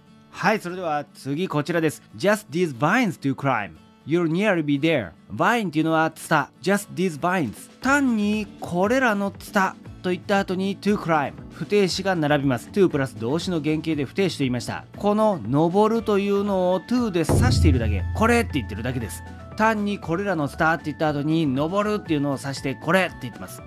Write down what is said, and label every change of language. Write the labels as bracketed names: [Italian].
[Japanese] はい、それでは次こちらです。 [English] Just these vines to climb, you'll nearly be there. [Japanese] Vine というのはツタ、 [English] Just these vines、 [Japanese] 単にこれらのツタと言った後に [English] to climb、 [Japanese] 不定詞が並びます。 to プラス動詞の原型で不定詞と言いました。この登るというのを to で指しているだけ、これって言ってるだけです。単にこれらのツタって言った後に登るっていうのを指してこれって言ってます。